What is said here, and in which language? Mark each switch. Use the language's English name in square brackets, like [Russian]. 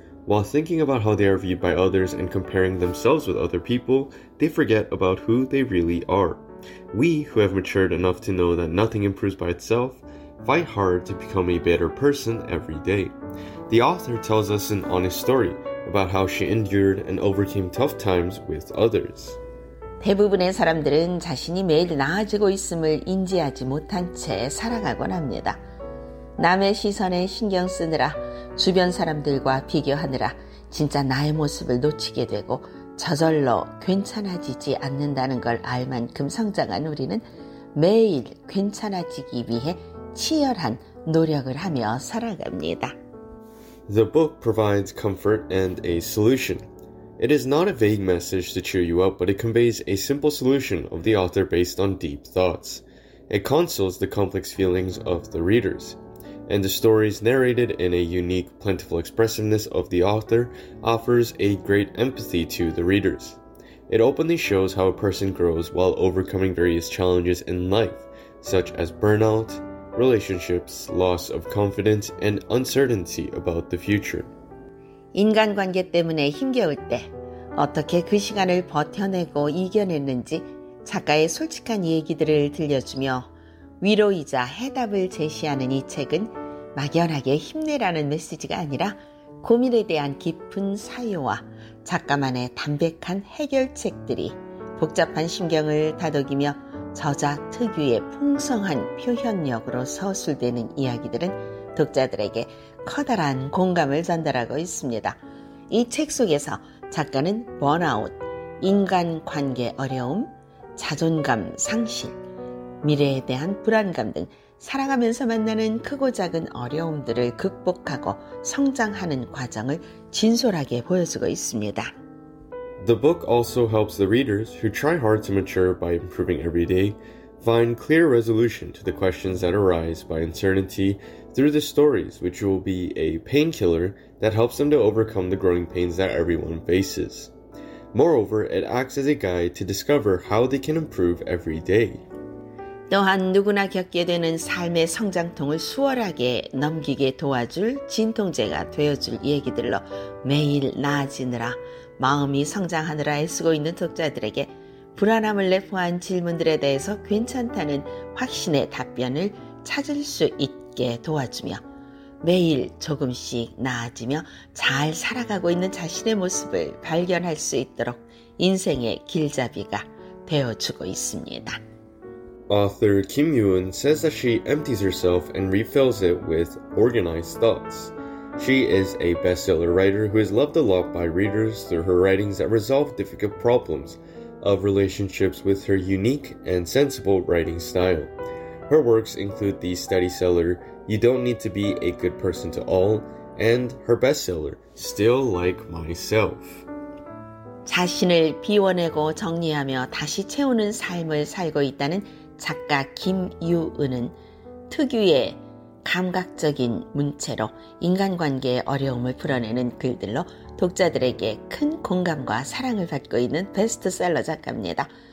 [English] While thinking about how they are viewed by others and comparing themselves with other people, they forget about who they really are. We, who have matured enough to know that nothing improves by itself, fight hard to become a better person every day. The author tells us an honest story about how she endured and overcame tough times with others. [Korean] 대부분의 사람들은 자신이 매일 나아지고 있음을 인지하지 못한 채 살아가곤 합니다. 남의 시선에 신경 쓰느라, 주변 사람들과 비교하느라 진짜 나의 모습을 놓치게 되고 저절로 괜찮아지지 않는다는 걸 알 만큼 성장한 우리는 매일 괜찮아지기 위해 치열한 노력을 하며 살아갑니다. [English] The book provides comfort and a solution. It is not a vague message to cheer you up, but it conveys a simple solution of the author based on deep thoughts. It consoles the complex feelings of the readers. And the stories narrated in a unique, plentiful expressiveness of the author offers a great empathy to the readers. It openly shows how a person grows while overcoming various challenges in life, such as burnout, relationships, loss of confidence, and uncertainty about the future. [Korean] 인간관계 때문에 힘겨울 때 어떻게 그 시간을 버텨내고 이겨냈는지 작가의 솔직한 얘기들을 들려주며 위로이자 해답을 제시하는 이 책은 막연하게 힘내라는 메시지가 아니라 고민에 대한 깊은 사유와 작가만의 담백한 해결책들이 복잡한 심경을 다독이며 저자 특유의 풍성한 표현력으로 서술되는 이야기들은 독자들에게 커다란 공감을 전달하고 있습니다. 이 책 속에서 작가는 번아웃, 인간관계 어려움, 자존감 상실, 미래에 대한 불안감 등 살아가면서 만나는 크고 작은 어려움들을 극복하고 성장하는 과정을 진솔하게 보여주고 있습니다. [English] The book also helps the readers who try hard to mature by improving every day find clear resolution to the questions that arise by uncertainty through the stories, which will be a painkiller that helps them to overcome the growing pains that everyone faces. Moreover, it acts as a guide to discover how they can improve every day. [Korean] 또한 누구나 겪게 되는 삶의 성장통을 수월하게 넘기게 도와줄 진통제가 되어줄 얘기들로 매일 나아지느라 마음이 성장하느라 애쓰고 있는 독자들에게 불안함을 내포한 질문들에 대해서 괜찮다는 확신의 답변을 찾을 수 있게 도와주며 매일 조금씩 나아지며 잘 살아가고 있는 자신의 모습을 발견할 수 있도록 인생의 길잡이가 되어주고 있습니다. [English] Author Kim Yoo-eun says that she empties herself and refills it with organized thoughts. She is a bestseller writer who is loved a lot by readers through her writings that resolve difficult problems of relationships with her unique and sensible writing style. Her works include the study seller You Don't Need to Be a Good Person to All and her bestseller Still Like Myself. [Korean] 자신을 비워내고 정리하며 다시 채우는 삶을 살고 있다는 작가 김유은은 특유의 감각적인 문체로 인간관계의 어려움을 풀어내는 글들로 독자들에게 큰 공감과 사랑을 받고 있는 베스트셀러 작가입니다.